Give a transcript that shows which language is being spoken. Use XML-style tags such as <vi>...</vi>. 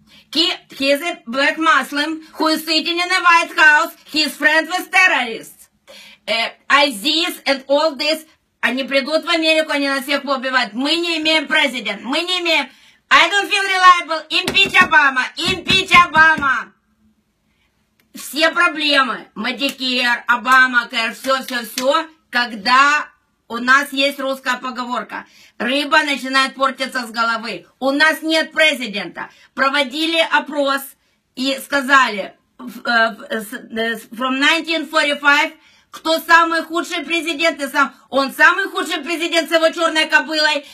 <en>He's a black Muslim who is sitting in the White House. He's friends with terrorists. ISIS and all this.</en> <ru>Они придут в Америку, они нас всех поубивают. Мы не имеем президента. Мы не имеем...</ru> <en>I don't feel reliable. Impeach Obama. Impeach Obama.</en> <ru>Все проблемы. Medicare, Obamacare, все. Когда у нас есть русская поговорка. Рыба начинает портиться с головы. У нас нет президента. Проводили опрос и сказали,</ru> <en>from 1945...</en> <ru>Кто самый худший президент? Он самый худший президент с его черной кобылой.</ru>